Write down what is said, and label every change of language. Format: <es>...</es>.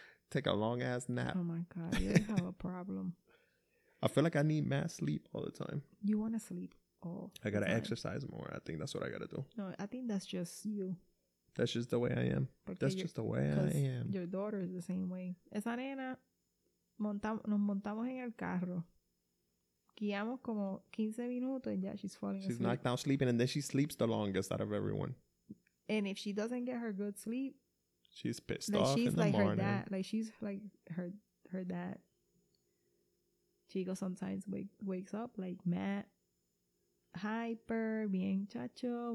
<en>Take a long ass nap. Oh my God, you don't have a problem. I feel like I need mass sleep all the time. You want to sleep all the time. I got to exercise more. I think that's what I got to do. No, I think that's just you. That's just the way I am.</en> <es>Porque</es> <en>that's just the way I am. Your daughter is the same way.</en> <es>Esa nena, nos montamos en el carro. Guiamos como 15 minutos</es> <en>and</en> <es>ya</es> <en>she's falling asleep. She's knocked down sleeping and then she sleeps the longest out of everyone. And if she doesn't get her good sleep, she's pissed off in the morning. Her dad. Like she's like her dad. Chico sometimes wakes up like Matt, hyper,</en> <es>bien chacho.</es>